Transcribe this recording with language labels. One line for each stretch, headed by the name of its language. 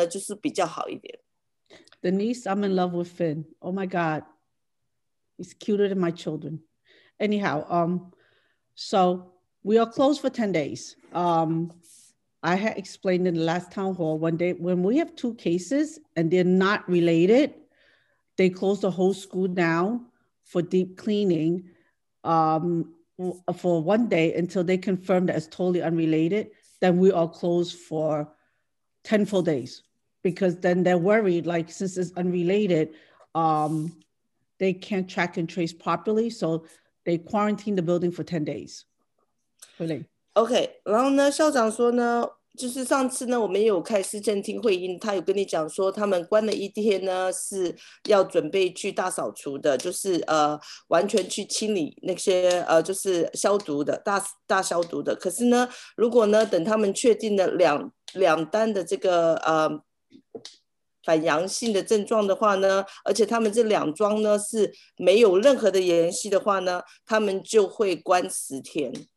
Chinese: 不是非常好的字眼，然后呢，Ms. Lipsky呢，他相较于呢，就是非常非常的有耐心，所以呢，他们就是他去这个情况给他来做的话呢，就是比较好一点。Denise,
English: I'm in love with Finn. Oh my God, he's cuter than my children. Anyhow, so we are closed for 10 days. I had explained in the last town hall one day, when we have two cases and they're not related, they close the whole school down for deep cleaning for one day until they confirm that it's totally unrelated, then we are closed for 10 full days. Because then they're worried, like since it's unrelated, they can't track and trace properly. So they quarantine the building for 10 days. Really?
Chinese: Okay, 然后呢,校长说呢, 就是上次呢，我们也有开市政厅会议，他有跟你讲说，他们关了一天呢，是要准备去大扫除的，就是完全去清理那些就是消毒的大消毒的。可是呢，如果呢，等他们确定了两单的这个反阳性的症状的话呢，而且他们这两桩呢是没有任何的联系的话呢，他们就会关10天。